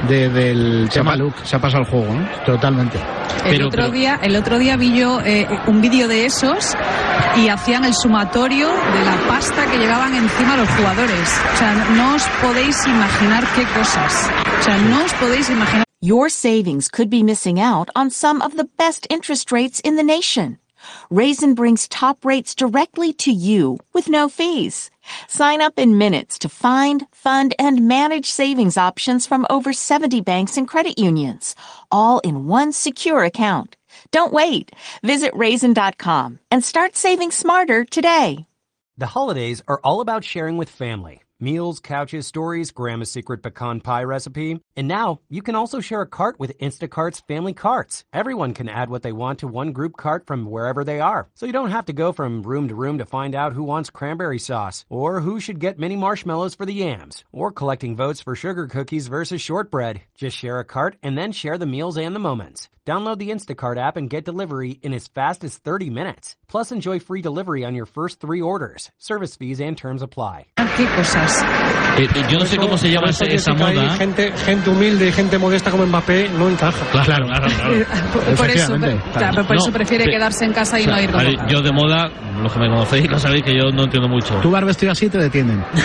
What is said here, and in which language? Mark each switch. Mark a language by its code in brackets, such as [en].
[es] Del tema Luke. Se ha pasado el juego, ¿no? Totalmente. El otro día vi yo un vídeo de esos y hacían el sumatorio de la pasta que llevaban encima los jugadores. O sea, no os podéis imaginar qué cosas. O sea, no os podéis imaginar. [en] Your savings could be missing out on some of the best interest rates in the nation. Raisin brings top rates directly to you with no fees. Sign up in minutes to find, fund, and manage savings options from over 70 banks and credit unions, all in one secure account. Don't wait. Visit Raisin.com and start saving smarter today. The holidays are all about sharing with family. Meals, couches, stories, grandma's secret pecan pie recipe. And now, you can also share a cart with Instacart's family carts. Everyone can add what they want to one group cart from wherever they are. So you don't have to go from room to room to find out who wants cranberry sauce, or who should get mini marshmallows for the yams, or collecting votes for sugar cookies versus shortbread. Just share a cart and then share the meals and the moments. Download the Instacart app and get delivery in as fast as 30 minutes. Plus, enjoy free delivery on your first three orders. Service fees and terms apply. [es] Yo no sé cómo se llama esa moda. Gente humilde y gente modesta como Mbappé no encaja. Por eso prefiere quedarse en casa y no ir. Vale, yo de moda, los que me conocéis lo sabéis que yo no entiendo mucho. Tú vas vestido así y te detienen.